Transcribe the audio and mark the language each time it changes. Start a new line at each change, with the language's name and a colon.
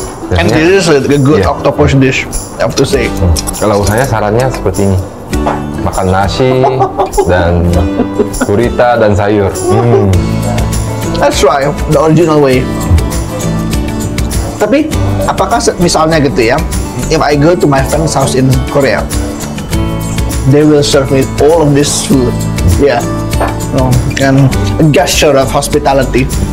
English: And this is a good, yeah, octopus dish, I have to say.
Indonesian: Kalau saya sarannya seperti ini, makan nasi dan gurita dan sayur.
English: That's right, the original way.
Indonesian: Tapi apakah misalnya gitu ya,
English: if I go to my friend's house in Korea, they will serve me all of this food, yeah, and a gesture of hospitality.